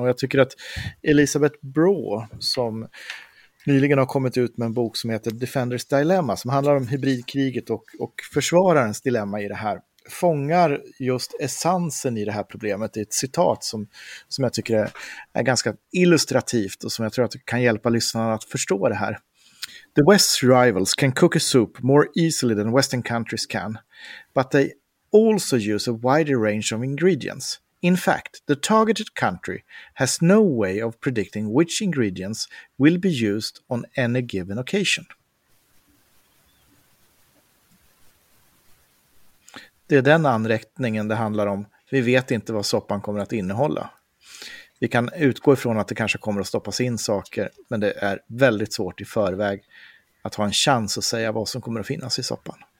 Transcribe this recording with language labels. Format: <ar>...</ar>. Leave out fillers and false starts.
<sv>Och jag tycker att Elisabeth Brough, som nyligen har kommit ut med en bok som heter Defender's Dilemma, som handlar om hybridkriget och försvararens dilemma i det här, fångar just essensen i det här problemet. Det är ett citat som jag tycker är ganska illustrativt och som jag tror att kan hjälpa lyssnarna att förstå det här.</sv> <en>The West's rivals can cook a soup more easily than Western countries can, but they also use a wider range of ingredients. In fact, the targeted country has no way of predicting which ingredients will be used on any given occasion.</en> <sv>Det är den anrättningen det handlar om. Vi vet inte vad soppan kommer att innehålla. Vi kan utgå ifrån att det kanske kommer att stoppas in saker, men det är väldigt svårt i förväg att ha en chans att säga vad som kommer att finnas i soppan.</sv>